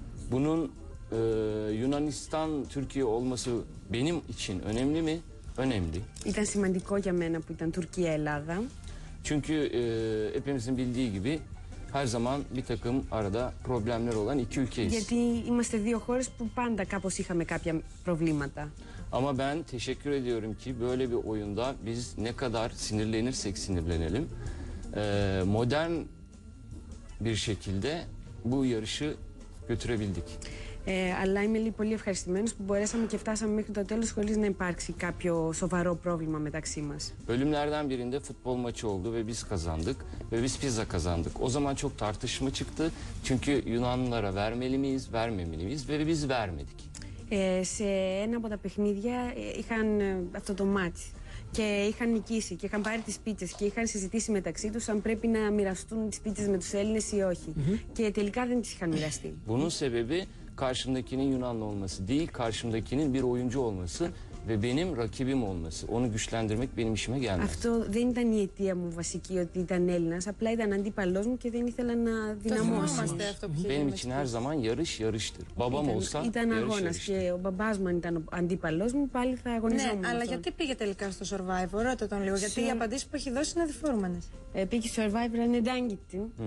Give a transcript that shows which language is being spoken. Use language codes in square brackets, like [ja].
[tr] Bunun Yunanistan Türkiye olması benim için önemli mi? Önemli. [el] Ήταν σημαντικό για μένα που ήταν Τουρκία Ελλάδα. [tr] Çünkü hepimizin bildiği gibi her zaman bir takım arada problemler olan iki ülkeyiz. [el] Γιατί είμαστε δύο χώρες που πάντα κάπως είχαμε κάποια προβλήματα. [tr] Ama ben teşekkür ediyorum ki böyle bir oyunda biz ne kadar sinirlenirsek sinirlenelim modern bir şekilde bu yarışı götürebildik. [el] Αλλά είμαι λίγο πολύ ευχαριστημένος που μπορέσαμε και φτάσαμε μέχρι το τέλος χωρίς να υπάρξει κάποιο σοβαρό πρόβλημα μεταξύ μας. [tr] Bölümlerden birinde futbol maçı oldu ve biz kazandık ve biz pizza kazandık. O zaman çok tartışma çıktı çünkü Yunanlılara vermeli miyiz, vermemeli miyiz ve biz vermedik. [el] Σε ένα από τα παιχνίδια είχαν αυτό το μάτς και είχαν νικήσει και είχαν πάρει τις πίτσες και είχαν συζητήσει μεταξύ τους αν πρέπει να μοιραστούν τις πίτσες με τους Έλληνες ή όχι. Και τελικά δεν τις είχαν μοιραστεί. [tr] Bunun sebebi karşımdakinin Yunanlı olması değil, karşımdakinin bir oyuncu olması ve benim rakibim olması. Onu güçlendirmek benim işime gelmez. [el] Αυτό δεν ήταν η αιτία μου βασική ότι ήταν Έλληνας, απλά ήταν αντίπαλός μου και δεν ήθελα να δυναμώσουμε. [tr] Benim için her zaman yarış yarıştır. Babam olsa [el] ήταν αγώνας και ο μπαμπάς μου ήταν αντίπαλός μου, πάλι θα αγωνιζόμουν. Ναι, αλλά γιατί πήγε τελικά στο Survivor, ρώτα τον λίγο, γιατί οι απαντήσεις που έχει δώσει είναι αδιφόρμανες. Πήγε στο Survivor, είναι ντάγκητη.